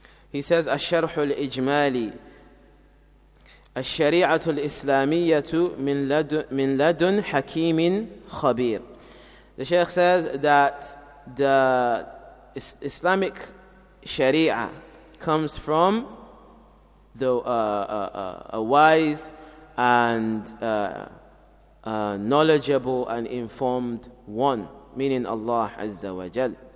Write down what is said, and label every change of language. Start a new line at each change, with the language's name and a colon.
English: He says,
Arabic: "Al-sharh al-ijmali." الشريعة الإسلامية من لدن حكيم خبير.
English: The Shaykh says that the Islamic Sharia comes from a wise and knowledgeable and informed one, meaning Allah Azza wa Jal.